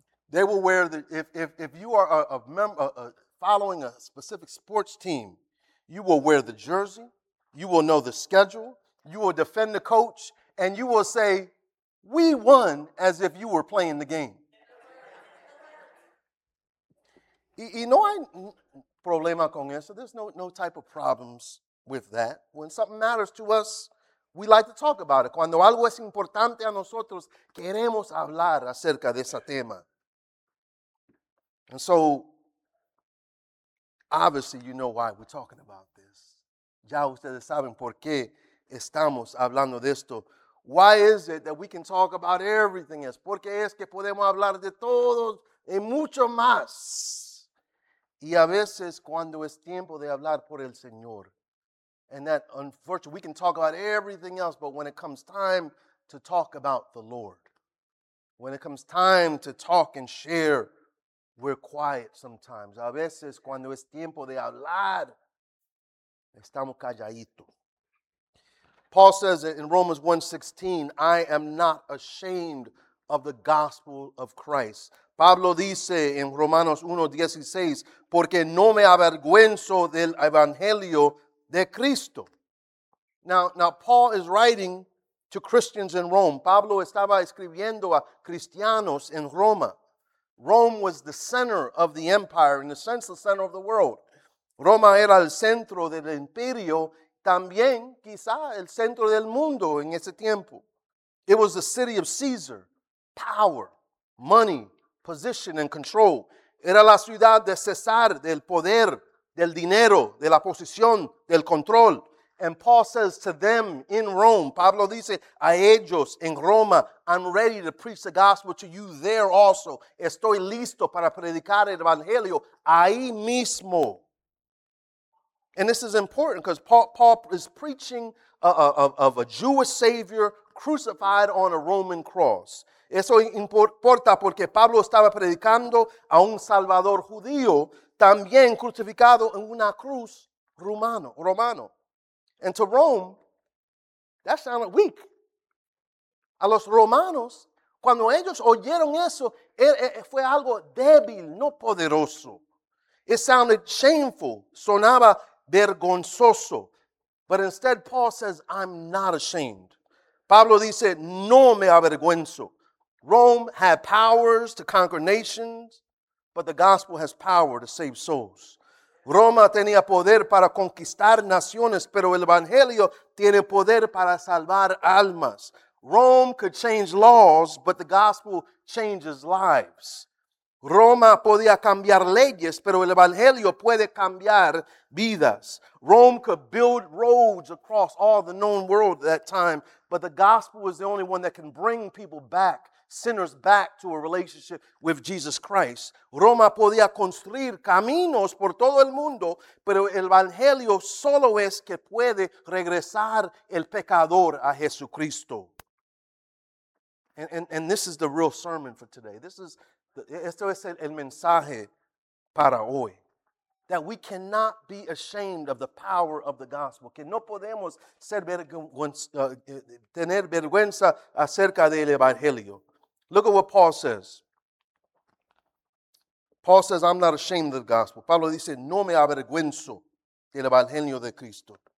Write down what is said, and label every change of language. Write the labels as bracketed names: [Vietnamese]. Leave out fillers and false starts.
[English] They will wear the if you are a member following a specific sports team, you will wear the jersey, you will know the schedule, you will defend the coach, and you will say we won as if you were playing the game. [Spanish] Y no hay problema con eso. [English] There's no type of problems with that. When something matters to us, we like to talk about it. [Spanish] Cuando algo es importante a nosotros, queremos hablar acerca de ese tema. [English] And so, obviously, you know why we're talking about this. [Spanish] Ya ustedes saben por qué estamos hablando de esto? [English] Why is it that we can talk about everything else? [Spanish] ¿Por qué es que podemos hablar de todo y mucho más? Y a veces cuando es tiempo de hablar por el Señor, [English] and that unfortunately we can talk about everything else, but when it comes time to talk about the Lord, when it comes time to talk and share, we're quiet sometimes. [Spanish] A veces cuando es tiempo de hablar, estamos calladitos. [English] Paul says it in Romans 1:16, I am not ashamed of the gospel of Christ. [Spanish] Pablo dice en Romanos 1:16, porque no me avergüenzo del evangelio de Cristo. [English] Now Paul is writing to Christians in Rome. [Spanish] Pablo estaba escribiendo a cristianos en Roma. [English] Rome was the center of the empire, in a sense, the center of the world. [Spanish] Roma era el centro del imperio, también quizá el centro del mundo en ese tiempo. [English] It was the city of Caesar, power, money, position, and control. [Spanish] Era la ciudad de César, del poder, del dinero, de la posición, del control. [English] And Paul says to them in Rome, [Spanish] Pablo dice, a ellos en Roma, [English] I'm ready to preach the gospel to you there also. [Spanish] Estoy listo para predicar el evangelio ahí mismo. [English] And this is important because Paul is preaching of a Jewish Savior crucified on a Roman cross. [Spanish] Eso importa porque Pablo estaba predicando a un Salvador judío también crucificado en una cruz romano. [English] And to Rome, that sounded weak. [Spanish] A los romanos, cuando ellos oyeron eso, fue algo débil, no poderoso. [English] It sounded shameful, [Spanish] sonaba vergonzoso. [English] But instead, Paul says, I'm not ashamed. [Spanish] Pablo dice, no me avergüenzo. [English] Rome had powers to conquer nations, but the gospel has power to save souls. [Spanish] Roma tenía poder para conquistar naciones, pero el evangelio tiene poder para salvar almas. [English] Rome could change laws, but the gospel changes lives. [Spanish] Roma podía cambiar leyes, pero el evangelio puede cambiar vidas. [English] Rome could build roads across all the known world at that time, but the gospel is the only one that can bring people back, sinners back to a relationship with Jesus Christ. [Spanish] Roma podía construir caminos por todo el mundo, pero el evangelio solo es que puede regresar el pecador a Jesucristo. [English] And this is the real sermon for today. [Spanish] Esto es el mensaje para hoy. [English] That we cannot be ashamed of the power of the gospel. [Spanish] Que no podemos tener vergüenza acerca del evangelio. [English] Look at what Paul says. Paul says, I'm not ashamed of the gospel. [Spanish] Pablo dice, no me avergüenzo del evangelio de Cristo.